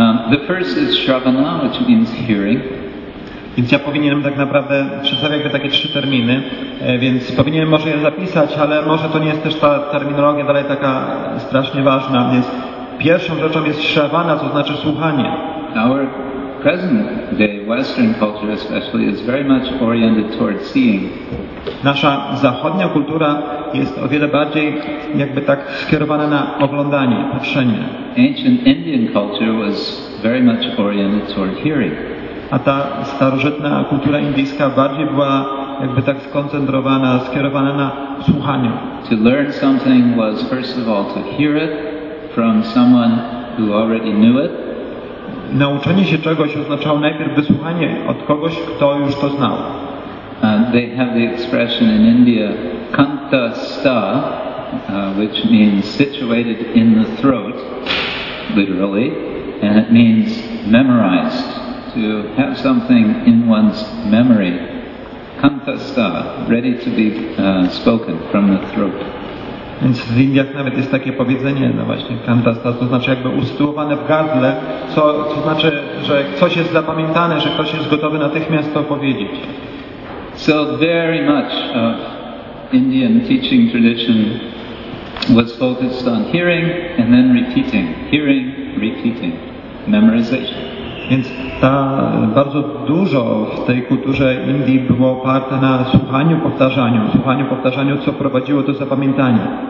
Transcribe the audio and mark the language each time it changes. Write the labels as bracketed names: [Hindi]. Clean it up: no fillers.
[English] The first is shravana, which means hearing. [Polish] Więc ja powinienem tak naprawdę przedstawiać takie trzy terminy, więc powinienem może je zapisać, ale może to nie jest też ta terminologia dalej taka strasznie ważna, więc pierwszą rzeczą jest shravana, co znaczy słuchanie. [English] Our present day Western culture especially is very much oriented towards seeing. [Polish] Nasza zachodnia kultura jest o wiele bardziej jakby tak skierowana na oglądanie, patrzenie. [English] Ancient Indian culture was very much oriented towards hearing. [Polish] A ta starożytna kultura indyjska bardziej była jakby tak skoncentrowana, skierowana na słuchaniu. [English] To learn something was first of all to hear it from someone who already knew it. [Polish] Nauczenie się czegoś oznaczało najpierw wysłuchanie od kogoś, kto już to znał. [English] They have the expression in India, kantastha, which means situated in the throat, literally, and it means memorized. To have something in one's memory, kantastha, ready to be spoken from the throat. [Polish] Więc w Indiach nawet jest takie powiedzenie, no właśnie, kantastha, to znaczy jakby usytuowane w gardle, co znaczy, że coś jest zapamiętane, że ktoś jest gotowy natychmiast to powiedzieć. [English] So very much of Indian teaching tradition was focused on hearing and then repeating. Hearing, repeating, memorization. [Polish] Więc ta bardzo dużo w tej kulturze Indii było oparte na słuchaniu, powtarzaniu. Słuchaniu, powtarzaniu, co prowadziło do zapamiętania.